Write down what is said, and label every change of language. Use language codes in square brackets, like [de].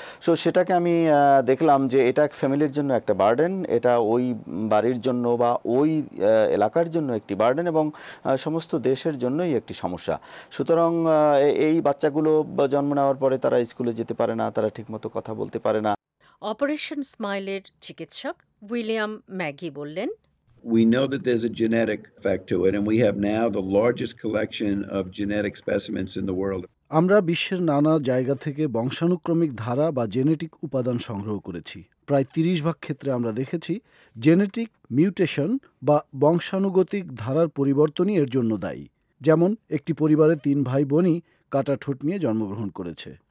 [bn] So সেটাকে আমি দেখলাম যে এটা ফ্যামিলির জন্য একটা বার্ডেন, এটা ওই বাড়ির জন্য বা ওই এলাকার জন্য একটি বার্ডেন এবং সমস্ত দেশের জন্যই একটি সমস্যা। সুতরাং এই বাচ্চাগুলো জন্ম নেওয়ার পরে তারা স্কুলে যেতে পারে না, তারা ঠিকমতো কথা বলতে পারে না। অপারেশন স্মাইলের চিকিৎসক উইলিয়াম ম্যাগি বললেন, [en] We know that there's a genetic effect to it and we have now the largest collection of genetic specimens in the world. [bn] আমরা বিশ্বের নানা জায়গা থেকে বংশানুক্রমিক ধারা বা জেনেটিক উপাদান সংগ্রহ করেছি। প্রায় 30 ভাগ ক্ষেত্রে আমরা দেখেছি জেনেটিক মিউটেশন বা বংশানুগতিক ধারার পরিবর্তনই এর জন্য দায়ী। যেমন একটি পরিবারে 3 ভাই বোনই কাটা ঠোঁট নিয়ে জন্মগ্রহণ করেছে।